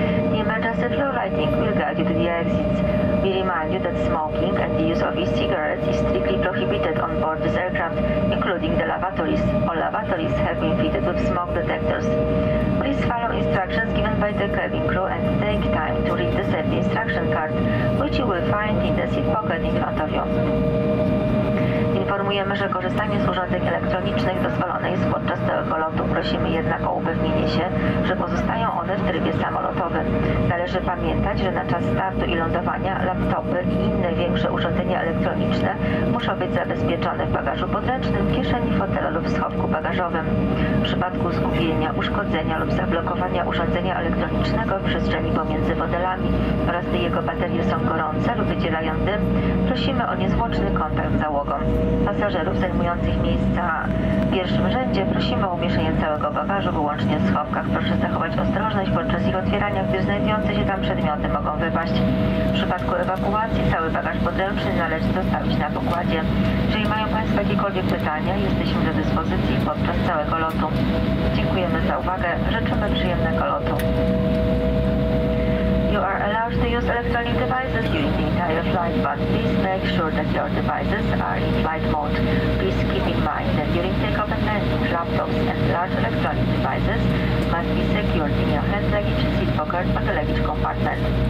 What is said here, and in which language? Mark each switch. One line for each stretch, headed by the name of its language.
English: The emergency floor lighting will guide you to the exits. We remind you that smoking and the use of e-cigarettes is strictly prohibited on board this aircraft, including the lavatories. All lavatories have been fitted with smoke detectors. Please follow instructions given by the cabin crew and take time to read the safety instruction card, which you will find in the seat pocket in front of you.
Polish: Informujemy, że korzystanie z urządzeń elektronicznych dozwolone jest podczas całego lotu. Prosimy jednak o upewnienie się, że pozostają one w trybie samolotowym. Należy pamiętać, że na czas startu i lądowania laptopy i inne większe urządzenia elektroniczne muszą być zabezpieczone w bagażu podręcznym, kieszeni fotela lub w schowku bagażowym. W przypadku zgubienia, uszkodzenia lub zablokowania urządzenia elektronicznego w przestrzeni pomiędzy fotelami oraz gdy jego baterie są gorące lub wydzielają dym, prosimy o niezwłoczny kontakt z załogą. Pasażerów zajmujących miejsca w pierwszym rzędzie prosimy o umieszczenie całego bagażu wyłącznie w schowkach. Proszę zachować ostrożność podczas ich otwierania, gdyż znajdujące się tam przedmioty mogą wypaść. W przypadku ewakuacji cały bagaż podręczny należy zostawić na pokładzie. Jeżeli mają Państwo jakiekolwiek pytania, jesteśmy do dyspozycji podczas całego lotu. Dziękujemy za uwagę. Życzymy przyjemnego lotu.
English: You are allowed to use electronic devices during the entire flight, but please make sure that your devices are in flight mode. Please keep in mind that during takeoff and landing, laptops and large electronic devices must be secured in your hand luggage, seat pocket, or the luggage compartment.